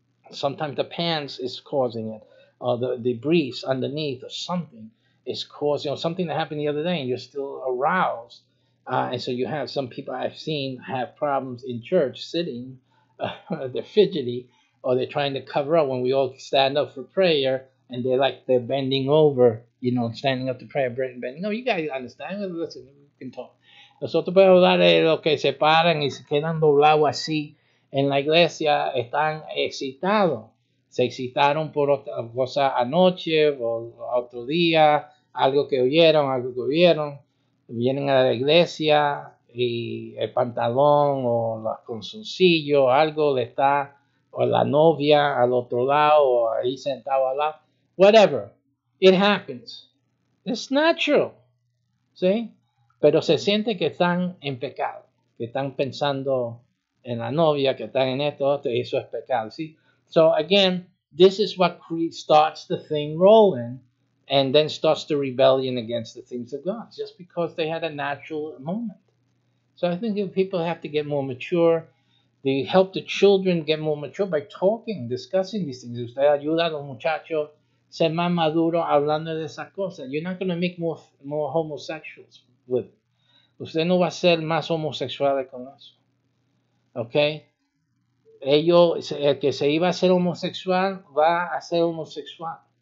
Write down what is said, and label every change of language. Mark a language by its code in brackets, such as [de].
[en] Sometimes the pants is causing it, or the breeze underneath or something is causing, or something that happened the other day and you're still aroused. And so you have some people I've seen have problems in church sitting, they're fidgety, or they're trying to cover up when we all stand up for prayer, and they're bending over, you know, standing up to pray, bending. No, you guys understand. Listen, we can talk. [es] Nosotros podemos dar lo que se paran y se quedan doblados así en la iglesia, están excitados. Se excitaron por otra cosa anoche o otro día, algo que oyeron, algo que vieron. Vienen a la iglesia y el pantalón o la consoncillo, algo le está, o la novia al otro lado, o ahí sentado al lado. [en] Whatever. It happens. It's natural. ¿Sí? [es] Pero se siente que están en pecado, que están pensando en la novia, que están en esto, otro, y eso es pecado. ¿Sí? [en] So again, this is what starts the thing rolling. And then starts the rebellion against the things of God, just because they had a natural moment. So I think if people have to get more mature, they help the children get more mature by talking, discussing these things. [es] Usted ayuda a los muchachos ser más maduro hablando de esas cosas. [en] You're not going to make more homosexuals with it. [es] Usted no va a ser más homosexual con eso. Okay? Ellos, el que se iba a ser homosexual, va a ser homosexual.